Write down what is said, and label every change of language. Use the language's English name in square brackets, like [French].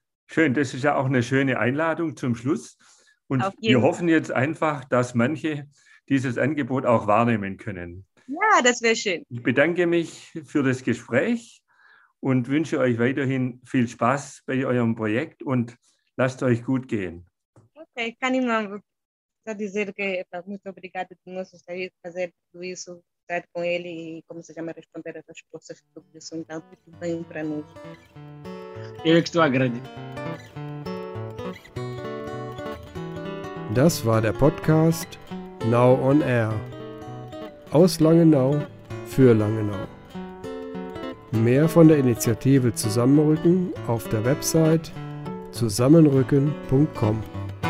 [German] Schön, das ist ja auch eine schöne Einladung zum Schluss und wir hoffen jetzt einfach, dass manche dieses Angebot auch wahrnehmen können. Ja, das wäre schön. Ich bedanke mich für das Gespräch und wünsche euch weiterhin viel Spaß bei eurem Projekt und lasst euch gut gehen. [Portuguese] Okay, [German] kann ich mal [Portuguese] só dizer que estou muito obrigada por nos estar a fazer tudo isso, estar com ele e como se chama responder essas coisas que são tanto bem para nós. Eu que estou a agradecer. [German] Das war der Podcast Now on Air. Aus Langenau für Langenau. Mehr von der Initiative Zusammenrücken auf der Website zusammenrücken.com.